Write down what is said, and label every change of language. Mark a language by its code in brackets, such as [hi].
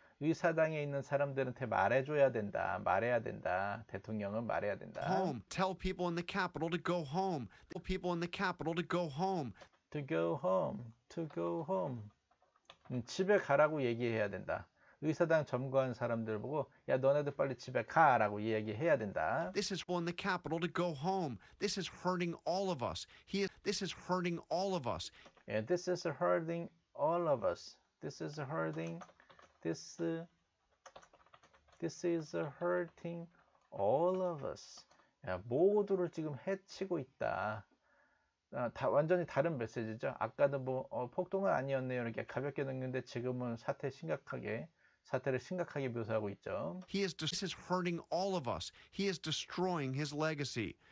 [ko] 의사당에 있는 사람들한테 말해줘야 된다. 말해야 된다. 대통령은 말해야 된다. [en] Home. Tell people in the capital to go home. Tell people in the capital to go home. To go home. To go home. [ko] 집에 가라고 얘기해야 된다. 의사당 점거한 사람들 보고 야 너네들 빨리 집에 가라고 얘기해야 된다. [en] This is on the capital to go home. This is hurting all of us. This is hurting all of us. And this is hurting all of us. This is hurting this is hurting all of us. [ko] 야, 모두를 지금 해치고 있다. 다 완전히 다른 메시지죠. 아까도 뭐 폭동은 아니었네요. 이렇게 가볍게 넘겼는데 지금은 사태를 심각하게 묘사하고 있죠. [en] He is hurting all of us. He is destroying his legacy.